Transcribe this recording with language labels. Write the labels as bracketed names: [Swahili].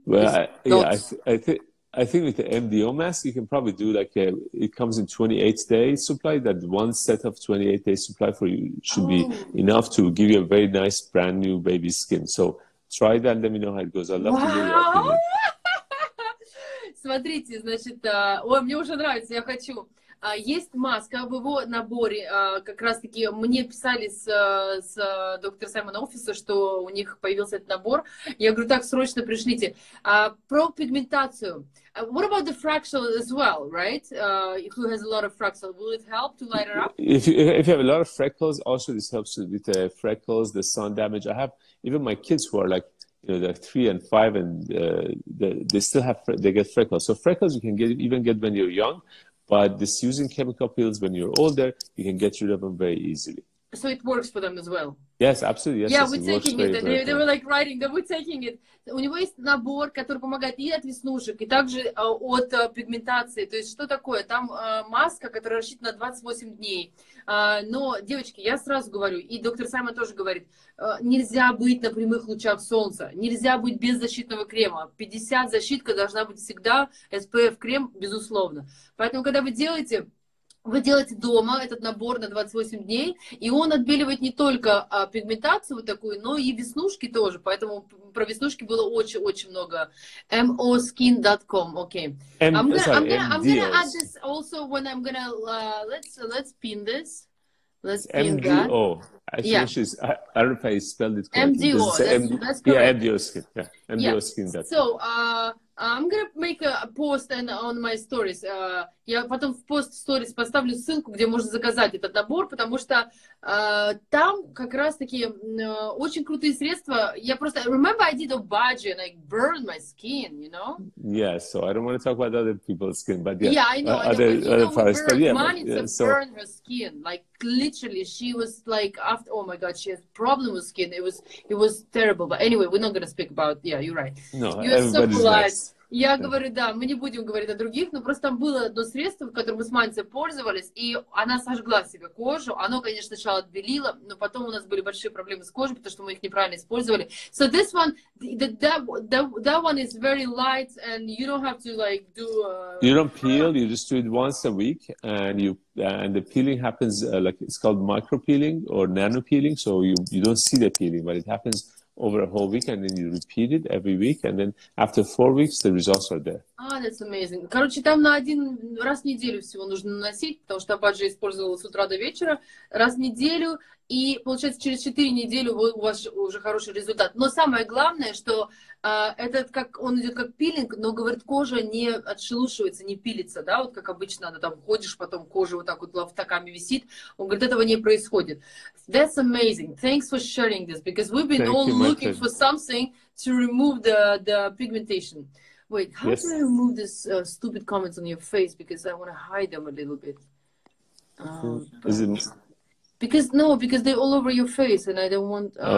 [English] Well, I think with the MDO mask, you can probably do like it comes in 28-day supply. That one set of 28-day supply for you should be enough to give you a very nice brand new baby skin. So try that. Let me know how it goes. I'd love to hear your opinion. [Russian] Смотрите, значит, мне уже нравится, я хочу. Есть маска в его наборе, как раз-таки мне писали с доктором Саймоном офиса, что у них появился этот набор. Я говорю, так, срочно пришлите. Про пигментацию. [English] What about the fractal as well, right? Who has a lot of fractal, will it help to light it up? If you have a lot of freckles, also this helps with the freckles, the sun damage. I have even my kids who are like, you know, they're 3 and 5 and they still have, they get freckles. So freckles you can get, even get when you're young. But this using chemical peels when you're older, you can get rid of them very easily. So it works for them as well? Yes, absolutely. Yes, yeah, yes, we're it taking it. They were like writing that we're taking it. [Russian] У него есть набор, который помогает и от веснушек, и также от пигментации. То есть что такое? Там маска, которая рассчитана на 28 дней. Но, девочки, я сразу говорю, и доктор Саймон тоже говорит, нельзя быть на прямых лучах солнца, нельзя быть без защитного крема. 50 защитка должна быть всегда, SPF-крем, безусловно. Поэтому, когда вы делаете дома этот набор на 28 дней, и он отбеливает не только пигментацию вот такую, но и веснушки тоже. Поэтому про веснушки было очень-очень много. moskin.com, окей. [English] I'm gonna add this also when I'm gonna, let's pin this. Let's pin MDO. That. Yeah. I don't know if I spelled it correctly. MDO, that's correct. Yeah, MDOskin. Yeah, MDOskin.com. Yeah. So, I'm gonna make a post and on my stories. [Russian] Я потом в пост stories поставлю ссылку, где можно заказать этот набор, потому что там как раз-таки очень крутые средства. Я просто [English] remember I did a budget and I burned my skin, you know? Yeah, so I don't want to talk about other people's skin, but yeah. Yeah, I know. Burned her skin, like literally, she was like after. Oh my God, she has problem with skin. It was terrible. But anyway, we're not gonna speak about. Yeah, you're right. No, everybody's so polite. [Russian] Я говорю, да, мы не будем говорить о других, но просто там было одно средство, которым мы с Манцей пользовались, и она сожгла себе кожу. Оно, конечно, сначала отбелило, но потом у нас были большие проблемы с кожей, потому что мы их неправильно использовали. [English] So this one, that one is very light, and you don't have to like do. You don't peel. You just do it once a week, and the peeling happens like it's called micro peeling or nano peeling. So you don't see the peeling, but it happens over a whole week, and then you repeat it every week, and then after 4 weeks, the results are there. Ah, that's amazing. [Russian] Короче, там на один раз в неделю всего нужно наносить, потому что Абаджи использовала с утра до вечера, раз в неделю, и получается через 4 недели у вас уже хороший результат. Но самое главное, что этот как он идет как пилинг, но говорит, кожа не отшелушивается, не пилится, да, вот как обычно, она там ходишь, потом кожа вот так вот лафтаками висит. Он говорит, этого не происходит. [English] That's amazing. Thanks for sharing this because we've been looking for something to remove the pigmentation. Wait, how do I remove these stupid comments on your face because I want to hide them a little bit? Because they're all over your face and I don't want.